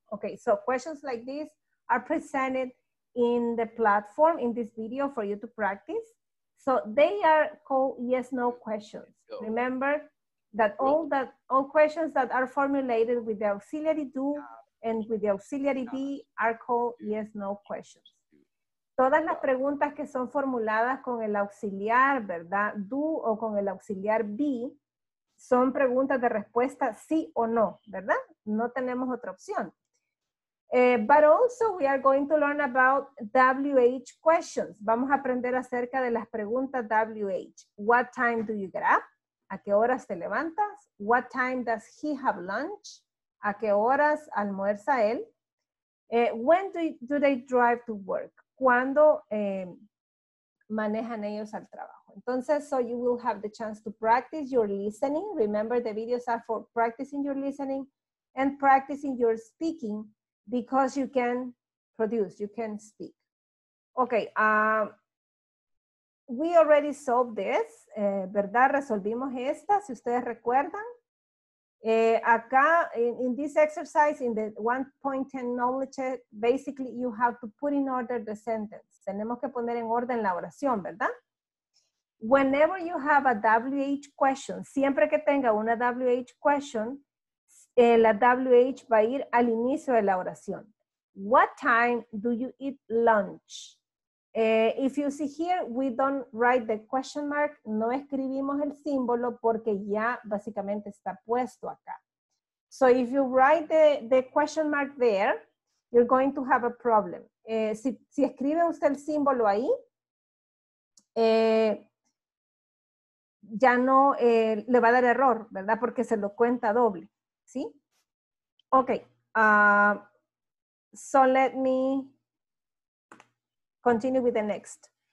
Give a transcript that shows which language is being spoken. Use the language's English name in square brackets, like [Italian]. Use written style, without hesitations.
[English] Okay, so questions like these are presented in the platform in this video for you to practice. So they are called yes, no questions. Remember that all questions that are formulated with the auxiliary do and with the auxiliary be are called yes, no questions. [Spanish] Todas las preguntas que son formuladas con el auxiliar, ¿verdad? Do o con el auxiliar be son preguntas de respuesta sí o no, ¿verdad? No tenemos otra opción. [English] But also we are going to learn about WH questions. [Spanish] Vamos a aprender acerca de las preguntas WH. [English] What time do you get up? [Spanish] ¿A qué horas te levantas? [English] What time does he have lunch? [Spanish] ¿A qué horas almuerza él? [English] When do they drive to work? [Spanish] ¿Cuándo manejan ellos al trabajo? [English] Entonces, so you will have the chance to practice your listening. Remember, the videos are for practicing your listening and practicing your speaking. Because you can produce, you can speak. Okay, we already solved this, ¿verdad? [Spanish] Resolvimos esta, si ustedes recuerdan. [English] Acá, in this exercise, in the 1.10 knowledge check, basically you have to put in order the sentence. [Spanish] Tenemos que poner en orden la oración, ¿verdad? [English] Whenever you have a WH question, [Spanish] siempre que tenga una WH question, la WH va a ir al inicio de la oración. [English] What time do you eat lunch? If you see here, we don't write the question mark. [Spanish] No escribimos el símbolo porque ya básicamente está puesto acá. [English] So if you write the question mark there, you're going to have a problem. [Spanish] Si escribe usted el símbolo ahí, ya no le va a dar error, ¿verdad? Porque se lo cuenta doble. ¿Sí? [English] Okay, so let me continue with the next.